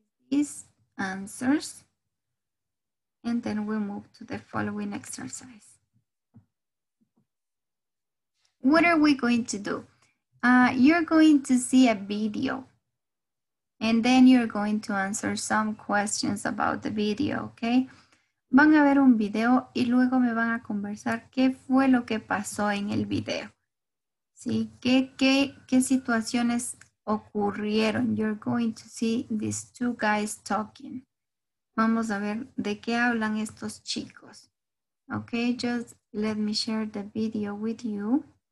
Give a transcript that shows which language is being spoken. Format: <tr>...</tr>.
<en>These answers, and then we'll move to the following exercise. What are we going to do? You're going to see a video, and then you're going to answer some questions about the video, okay?</en> <es>Van a ver un video y luego me van a conversar qué fue lo que pasó en el video. ¿Sí? ¿Qué situaciones ocurrieron?</es> <en>You're going to see these two guys talking.</en> <es>Vamos a ver de qué hablan estos chicos.</es> <en>Ok, just let me share the video with you.</en>